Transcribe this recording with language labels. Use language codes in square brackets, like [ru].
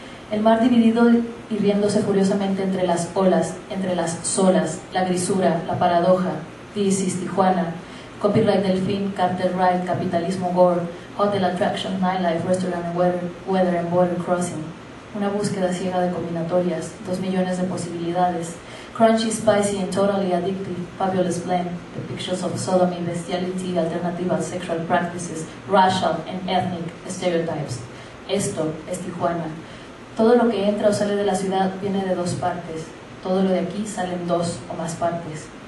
[es] El mar dividido y riéndose furiosamente entre las olas, entre las solas, la grisura, la paradoja, [en] This is Tijuana. Copyright Delfín, Carter Ride, Capitalismo Gore, Hotel Attraction, Nightlife, Restaurant and Weather and Border Crossing. [es] Una búsqueda ciega de combinatorias, 2 millones de posibilidades. [en] Crunchy, spicy and totally addictive, fabulous blend, depictions of sodomy, bestiality, alternative sexual practices, racial and ethnic stereotypes. [es] Esto es Tijuana. Todo lo que entra o sale de la ciudad viene de 2 partes. Todo lo de aquí sale en 2 o más partes.